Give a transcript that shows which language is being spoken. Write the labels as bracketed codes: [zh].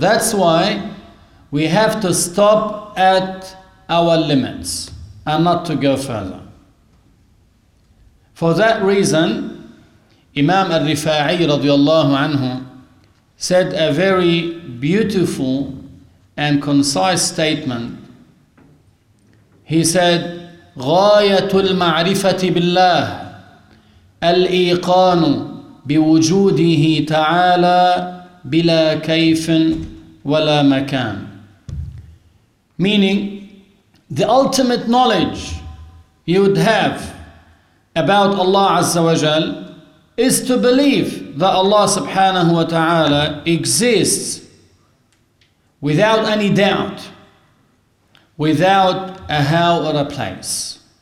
[en] That's why we have to stop at our limits and not to go further. For that reason, Imam Al-Rifa'i radiallahu anhu said a very beautiful and concise statement. He said, [ar] غَايَةُ الْمَعْرِفَةِ بِاللَّهِ الْإِيقَانُ بِوُجُودِهِ تَعَالَى بِلَا كَيْفٍ وَلَا مَكَانٍ. [en] Meaning, the ultimate knowledge you would have about Allah Azza wa Jal is to believe that Allah subhanahu wa ta'ala exists without any doubt, without a how or a place.